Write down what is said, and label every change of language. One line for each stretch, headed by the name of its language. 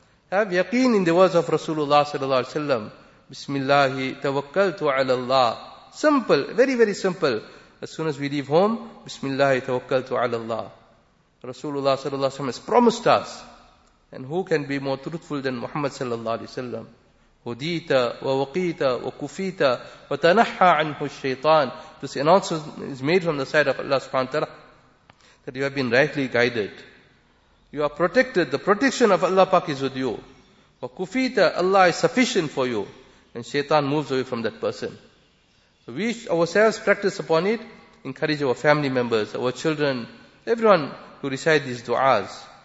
English: Have yaqeen in the words of Rasulullah sallallahu alaihi wasallam.
Arabic: Bismillahi tawakkaltu ala Allah.
English: Simple, very, very simple. As soon as we leave home,
Arabic: Bismillahi tawakkaltu ala Allah.
English: Rasulullah sallallahu alaihi wasallam has promised us. And who can be more truthful than Muhammad sallallahu alaihi wasallam?
Arabic: هديت ووقيت وكفيت وتنحى عنه الشيطان.
English: This announcement is made from the side of Allah subhanahu wa ta'ala that you have been rightly guided. You are protected. The protection of Allah Pak is with you. وكفيت, Allah is sufficient for you. And shaitan moves away from that person. So we ourselves practice upon it, encourage our family members, our children, everyone to recite these du'as.